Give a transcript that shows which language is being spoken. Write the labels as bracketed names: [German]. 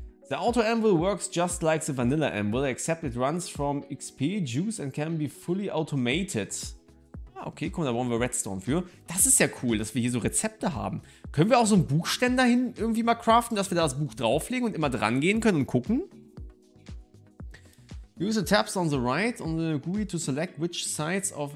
[English] The Auto Anvil works just like the Vanilla Anvil, except it runs from XP Juice and can be fully automated. [German] Okay, komm, da brauchen wir Redstone für. Das ist ja cool, dass wir hier so Rezepte haben. Können wir auch so einen Buchständer hin irgendwie mal craften, dass wir da das Buch drauflegen und immer dran gehen können und gucken? [English] Use the tabs on the right on the GUI to select which sides of...